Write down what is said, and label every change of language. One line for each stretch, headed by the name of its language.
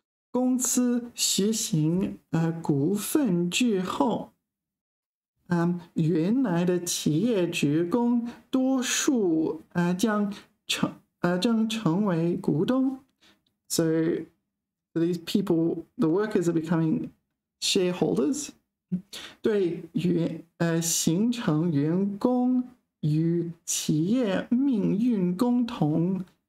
Chinese: 公司实行股份制后，原来的企业职工多数将成为股东。
English: So these people, the workers are becoming shareholders.
Chinese: 对形成员工与企业命运共同。